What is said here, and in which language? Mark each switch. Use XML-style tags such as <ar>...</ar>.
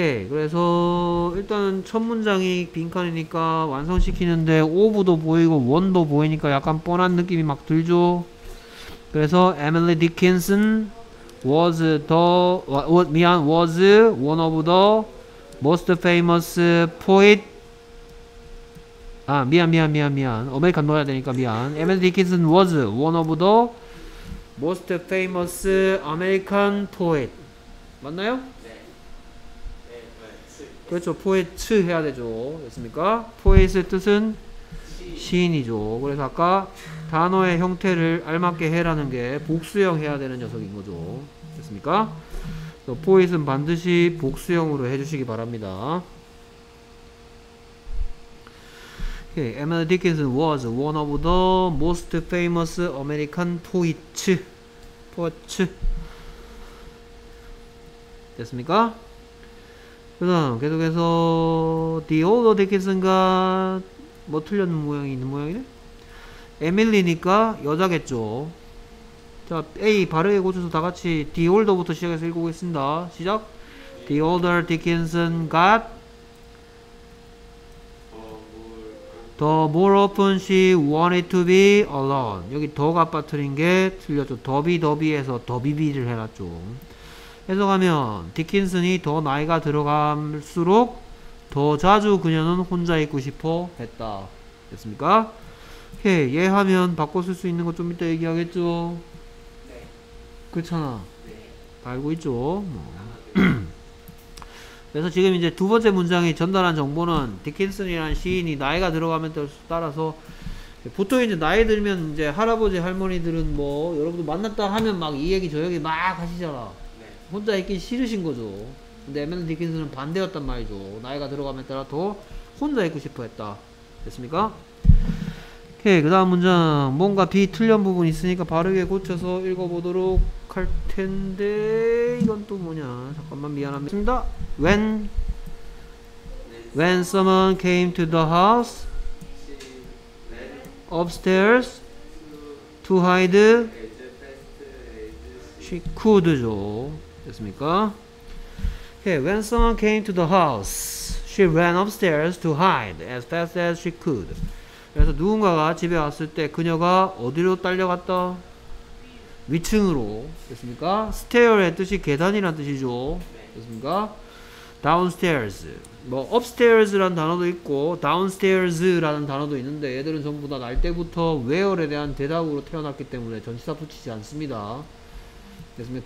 <ko>그래서 일단 첫 문장이 빈칸이니까 완성시키는데 오브도 보이고 원도 보이니까 약간 뻔한 느낌이 막 들죠.</ko> <en>그래서 Emily Dickinson was was one of the most famous poet.</en> <ko>아 미안 아메리칸 넣어야 되니까 미안.</ko> <en>Emily Dickinson was one of the most famous American poet.</en> <ko>맞나요? 그렇죠. 포에츠 해야 되죠. 됐습니까? 포에츠의 뜻은 시인이죠. 그래서 아까 단어의 형태를 알맞게 해라는 게 복수형 해야 되는 녀석인 거죠. 됐습니까? 포에츠는 반드시 복수형으로 해주시기 바랍니다.</ko> <en>Okay. Emily Dickinson was one of the most famous American poets.</en> <ko>포에츠. 됐습니까? 그 다음 계속해서</ko> <en>The older Dickinson</en> <ko>가 뭐 틀렸는 모양이 있는 모양이네? 에밀리니까 여자겠죠. 자 A 바르게 고쳐서 다같이</ko> <en>The older</en> <ko>부터 시작해서 읽어보겠습니다. 시작.</ko> <en>The older Dickinson got the more often she wanted to be alone.</en> <ko>여기 더가 빠뜨린 게 틀렸죠. 더비더비해서 더비비를 해놨죠. 해석하면 디킨슨이 더 나이가 들어갈수록 더 자주 그녀는 혼자 있고 싶어 했다. 됐습니까? 오케이. 얘 하면 바꿔 쓸 수 있는 거 좀 이따 얘기하겠죠? 네. 그렇잖아. 네. 알고 있죠. 뭐. 그래서 지금 이제 두 번째 문장이 전달한 정보는 디킨슨이라는 시인이 나이가 들어가면 따라서 보통 이제 나이 들면 이제 할아버지 할머니들은 뭐 여러분도 만났다 하면 막 이 얘기 저 얘기 막 하시잖아. 혼자 있기 싫으신 거죠. 근데 에밀리 디킨슨은 반대였단 말이죠. 나이가 들어감에 따라 더 혼자 있고 싶어 했다. 됐습니까? 오케이. 그 다음 문장. 뭔가 B 틀린 부분 있으니까 바르게 고쳐서 읽어보도록 할 텐데, 이건 또 뭐냐. 잠깐만 미안합니다.</ko> <en>When someone came to the house upstairs to hide, she could죠.</en> <ko>됐습니까?</ko> <en>Okay, when someone came to the house, she ran upstairs to hide as fast as she could.</en> <ko>그래서 누군가가 집에 왔을 때 그녀가 어디로 딸려갔다? 위층으로. 됐습니까? Stair의 뜻이 계단이란 뜻이죠. 됐습니까? Downstairs. 뭐 upstairs라는 단어도 있고 downstairs라는 단어도 있는데 얘들은 전부 다 날 때부터 where에 대한 대답으로 태어났기 때문에 전치사 붙이지 않습니다. 됐습니다.</ko>